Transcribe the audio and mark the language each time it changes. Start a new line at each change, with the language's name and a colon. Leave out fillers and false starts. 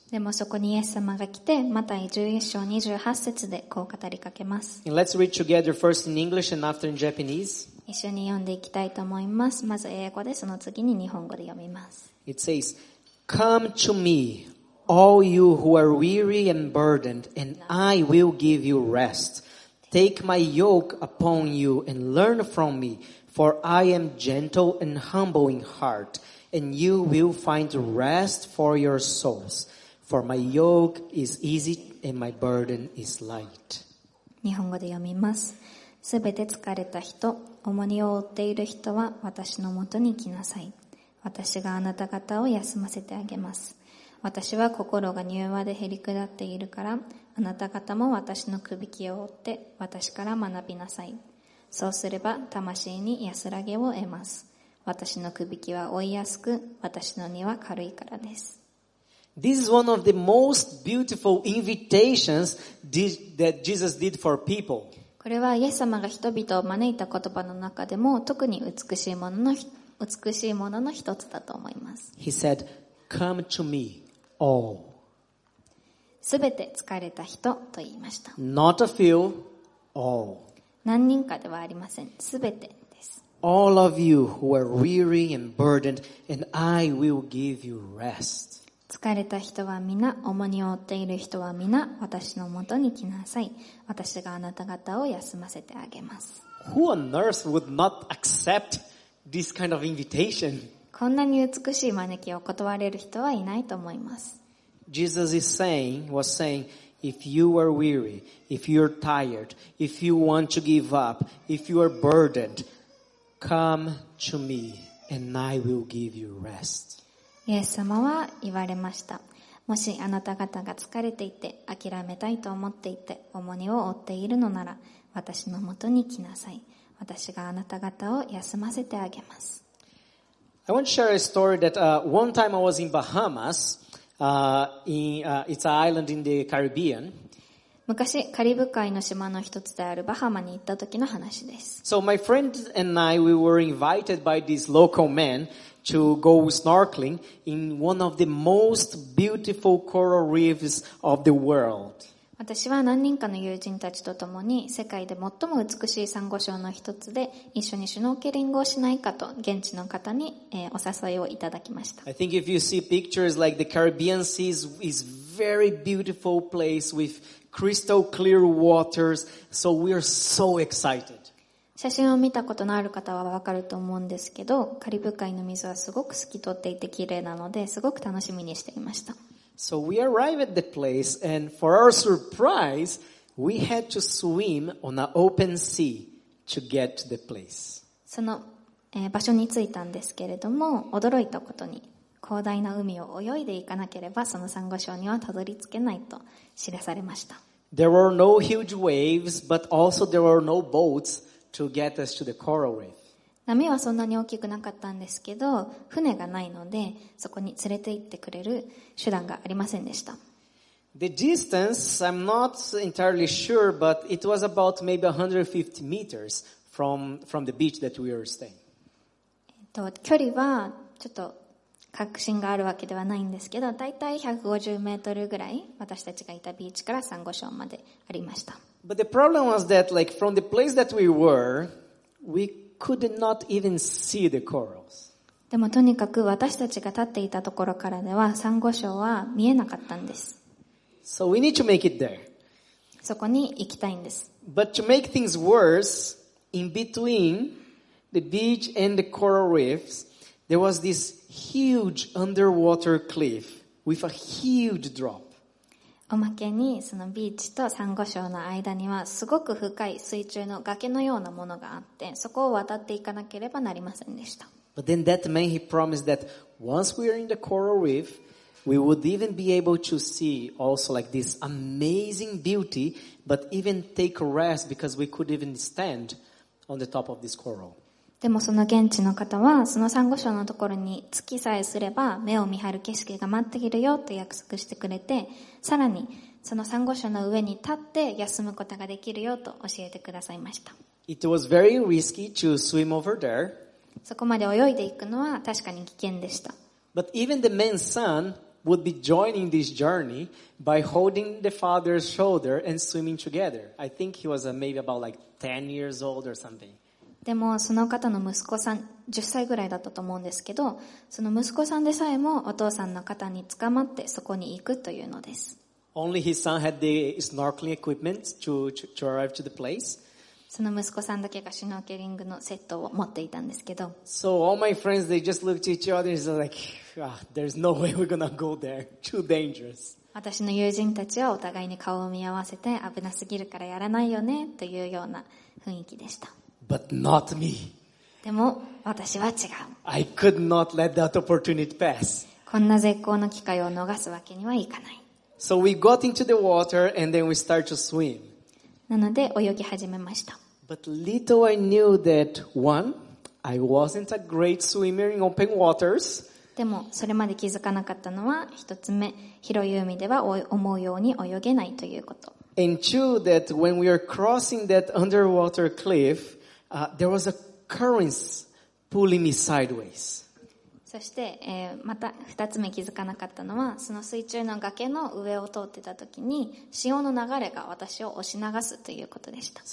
Japanese: でもそこにイエス様が来て、マタイ11章28節でこう語りかけます。
English: And let's read together first in English and after in Japanese.
Japanese: 一緒に読んでいきたいと思います。まず英語で、その次に日本語で読みます。
English: It says, "Come to me, all you who are weary and burdened, and I will give you rest. Take my yoke upon you and learn from me." For I am gentle and humble in heart, and you will find rest for your souls. For my yoke is easy and my burden is light.
Japanese: 日本語で読みます。すべて疲れた人、重荷を負っている人は私のもとに来なさい。私があなた方を休ませてあげます。私は心が柔和でへり下っているから、あなた方も私の首輝きを負って私から学びなさい。そうすれば魂に安らげを得ます。私の首輝きは負いやすく、私の荷は軽いからです。
English: This is one of the most beautiful invitations that Jesus did for people.
Japanese: これはイエス様が人々を招いた言葉の中でも特に美しいものの一つだと思います。
English: He said, "Come to me, all."
Japanese: すべて疲れた人と言いました。
English: Not a few, all.
Japanese: 何人かではありません。すべてです。
English: All of you who are weary and burdened, and I will give you rest.
Japanese: 疲れた人は皆、重荷を負っている人は皆、私のもとに来なさい。私があなた方を休ませてあげます。
English: Who on earth would not accept this kind of invitation?
Japanese: こんなに美しい招きを断れる人はいないと思います。
English: Jesus is saying, was saying,If you are weary, if you are tired, if you want to give up, if you are burdened, come to me and I will give you rest.
Japanese: イエス様は言われました。もしあなた方が疲れていて、諦めたいと思っていて、重荷を負っているのなら、私のもとに来なさい。私があなた方を休ませてあげます。
English: I want to share a story that one time I was in Bahamas it's an island in the Caribbean.
Japanese: 昔カリブ海の島の一つであるバハマに行った時の話です。
English: So my friend and I we were invited by this local man to go snorkeling in one of the most beautiful coral reefs of the world.
Japanese: 私は何人かの友人たちと共に世界で最も美しいサンゴ礁の一つで一緒にシュノーケリングをしないかと現地の方にお誘いをいただきました。
English: I think if you see pictures like the Caribbean Sea is very beautiful place with crystal clear waters, so we are so excited.
Japanese: 写真を見たことのある方はわかると思うんですけど、カリブ海の水はすごく透き通っていて綺麗なのですごく楽しみにしていました。
English: So we arrived at the place, and for our surprise, we had to swim on an open sea to get to the place.
Japanese: その、場所に着いたんですけれども、驚いたことに、広大な海を泳いでいかなければ、そのサンゴ礁にはたどり着けないと知らされました。
English: There were no huge waves, but also there were no boats to get us to the coral reef.
Japanese: 波はそんなに大きくなかったんですけど、船がないのでそこに連れて行ってくれる手段がありませんでした。
English: The distance, I'm not entirely sure, but it was about maybe 150 meters from the beach that we were staying.
Japanese: 距離はちょっと確信があるわけではないんですけど、だいたい150メートルぐらい私たちがいたビーチからサンゴ礁までありました。
English: But the problem was that, like, from the place that we were, we could not even see the corals.
Japanese: でもとにかく私たちが立っていたところからではサンゴ礁は見えなかったんです。
English: So we need to make it there.
Japanese: そこに行きたいんです。
English: But to make things worse, in between the beach and the coral reefs, there was this huge underwater cliff with a huge drop.
Japanese: おまけにそのビーチとサンゴ礁の間にはすごく深い水中の崖のようなものがあって、そこを渡っていかなければなりませんでした。
English: But then that man he promised that once we are in the coral reef, we would even be able to see also like this amazing beauty, but even take rest because we could even stand on the top of this coral.
Japanese: でもその現地の方はそのサンゴ礁のところに月さえすれば目を見張る景色が待っているよと約束してくれて、さらにそのサンゴ礁の上に立って休むことができるよと教えてくださいました。
English: It was very risky to swim over there.
Japanese: そこまで泳いでいくのは確かに危険でした。
English: But even the man's son would be joining this journey by holding the father's shoulder and swimming together. I think he was maybe about like 10 years old or something.
Japanese: でもその方の息子さん10歳ぐらいだったと思うんですけど、その息子さんでさえもお父さんの肩に捕まってそこに行くというのです。
English: Only his son had the snorkeling equipment to arrive to the place.
Japanese: その息子さんだけがシュノーケリングのセットを持っていたんですけど、
English: So all my friends they just looked at each other and said like, there's no way we're gonna go there, too dangerous.
Japanese: 私の友人たちはお互いに顔を見合わせて、危なすぎるからやらないよねというような雰囲気でした。
English: But not me.
Japanese: でも私は違う。
English: I could not let that opportunity pass.
Japanese: こんな絶好の機会を逃すわけにはいかない。
English: So we got into the water and then we started to swim.
Japanese: なので泳ぎ始めました。
English: But little I knew that one, I wasn't a great swimmer in open waters.
Japanese: でもそれまで気づかなかったのは、一つ目、広い海では思うように泳げないということ。
English: And two, that when we are crossing that underwater cliff,there was a current pulling me sideways.
Japanese: そして、また二つ目気づかなかったのは、その水中の崖の上を通ってた時に潮の流れが私を押し流すということでした。